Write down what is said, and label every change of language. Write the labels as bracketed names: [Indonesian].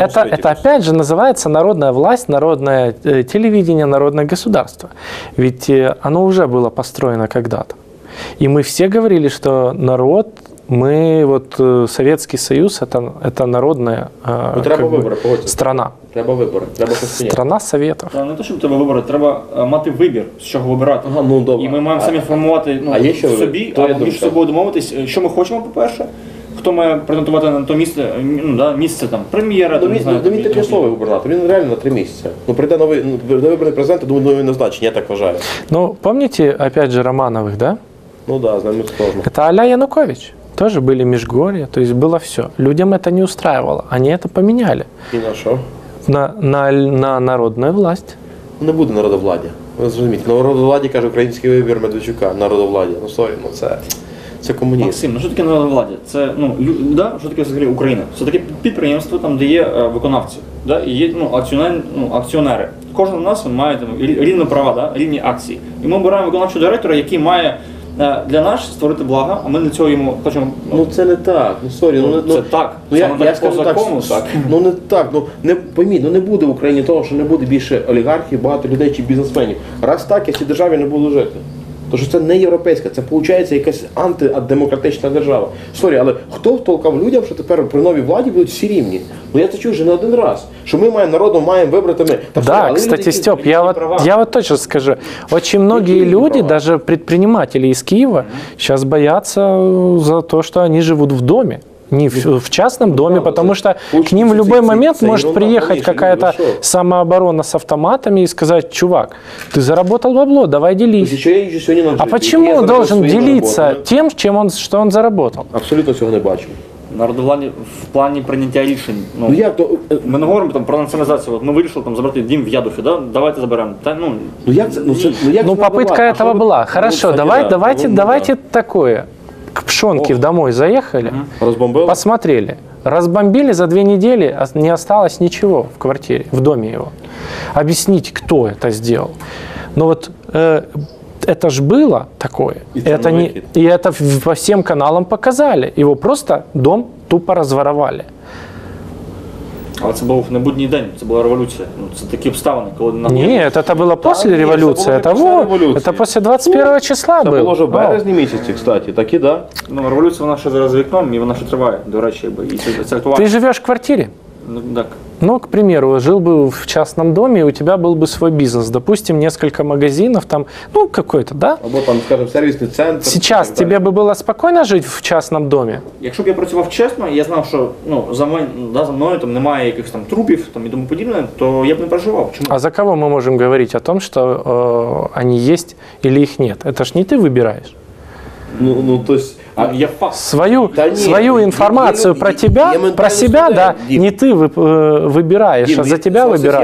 [Russian] Это опять же называется народная власть, народное телевидение, народное государство. Ведь оно уже было построено когда-то. И мы все говорили, что народ, мы вот Советский Союз, это народная страна. [Ukrainian] Треба вибори. Треба постійно. [Russian] Страна советов. [Ukrainian] Не то, щоб треба вибори, треба мати вибір, з чого вибирати. Ага, ну, добре. І ми маємо самі формувати собі, то або між собою домовитись, що ми хочемо, по-перше. Хто має презентувати на то місце, ну, да, місце там, прем'єра, ну, там, не знаю. Ну, він слово губернатор, він реально на 3 місяці. Ну, прийде новий, ну, вибраний президент, я думаю, нові назначення, я так вважаю. Ну, пам'ятаєте, опять же, Романових, да? Ну, да, з нами сложно. [Russian] Это а-ля Янукович. Тоже были межгорья, то есть было все. Людям это не устраивало, они это поменяли. И на что? На народную власть. Не будет народовладдя. Вы понимаете, народовладдя, каже украинский выбор Медведчука, народовладдя. [Ukrainian] Ну, сори, ну, це коммунизм. [Russian] Максим, ну, что такое народовладдя? Это, ну, да, что такое, взагалі, Украина? Это таке підприємство, там, где есть виконавці, да, и есть, ну, акціонери. [Ukrainian] Кожен из нас має там рівні права, да, рівні акції. [Russian] И мы выбираем [Ukrainian] виконавчого директора, який має для нас створити благо, а ми для цього йому хочемо... Ну це не так, ну сорі, ну... Це так, ну, я скажу так, закону, так. Ну не так, ну не, пойміть, ну не буде в Україні того, що не буде більше олігархів, багато людей чи бізнесменів. Раз так, я в цій державі не буду жити. Тому що це не європейська, це виходить якась антидемократична держава. Сорі, але хто втолкав людям, що тепер при новій владі будуть всі рівні? Ну я це чув вже не один раз, що ми маємо народу, маємо вибрати ми. [Russian] Так, да, кстати, Стьоп, я вот точно скажу. Очень многие люди, даже предприниматели из Киева, сейчас боятся за то, что они живут в доме. Не в частном доме, потому что к ним в любой момент может приехать какая-то самооборона с автоматами и сказать: чувак, ты заработал бабло, давай делись. А почему он должен делиться тем, чем он, что он заработал? [Ukrainian] Абсолютно всего не бачу. Народовладдя в плані прийняття рішень. Ну, як то? Ми не говоримо там про націоналізацію. От ми вирішили там забрати дім в Ядові, да? Давайте заберемо. Та, ну, як це? Ну, це, ну, як [Russian] ну попытка этого була. Хорошо, давайте такое. К Пшонкив домой заехали, Разбомбили? Посмотрели. Разбомбили за 2 недели, не осталось ничего в квартире, в доме его. Объясните, кто это сделал. Но вот это ж было такое. И это по всем каналам показали. Его просто дом тупо разворовали. [Ukrainian] А це був не будній день, це була революція. Ну, це такі обставини, коли на ні, це було після революції. Це після 21-го числа було. Це було вже в березні місяці, кстати, так і да. Ну, революція вона ще зараз вікном, і вона ще триває, до речі, і це актуально. Ти живеш в квартирі? Ну, так. [Russian] Ну, к примеру, жил бы в частном доме, у тебя был бы свой бизнес, допустим, несколько магазинов там, ну, какой-то, да? Або там, скажем, сервисный центр. Сейчас тебе бы было спокойно жить в частном доме? [Ukrainian] Якщо б я працював чесно, я знав, що, ну, за мною там немає якихось там трупів, там, і тому подібне, то я б не переживав. Чому? А за кого ми можемо говорити [Russian] о том, [Ukrainian] що вони є или їх нет? Это ж не ти вибираєш. [Russian] Ну, то есть... [Ukrainian] А я факт. Свою інформацію про тебе, про себе, да, не ти вибираєш, а за тебе вибирає.